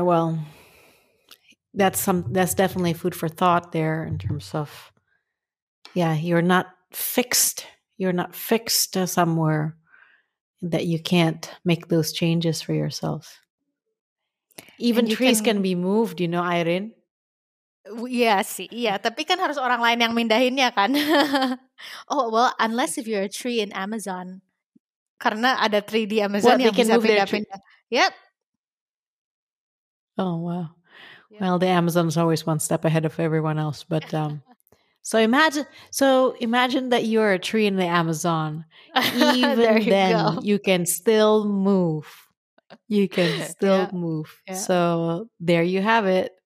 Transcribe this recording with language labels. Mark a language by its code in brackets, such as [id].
[en] Well, that's definitely food for thought there in terms of, yeah, you're not fixed. You're not fixed somewhere that you can't make those changes for yourself. Even trees can be moved, you know, Irene. Yeah, sih. Yeah, [id] tapi kan harus orang lain yang mindahinnya kan. [en] Oh, well, unless if you're a tree in Amazon. [id] Karena ada tree di Amazon yang bisa pindah-pindah. [en] Yep. Oh, wow. Yep. Well, the Amazon's always one step ahead of everyone else, but so imagine that you're a tree in the Amazon. Even you then go. You can still move. You can still move. Yeah. So, there you have it.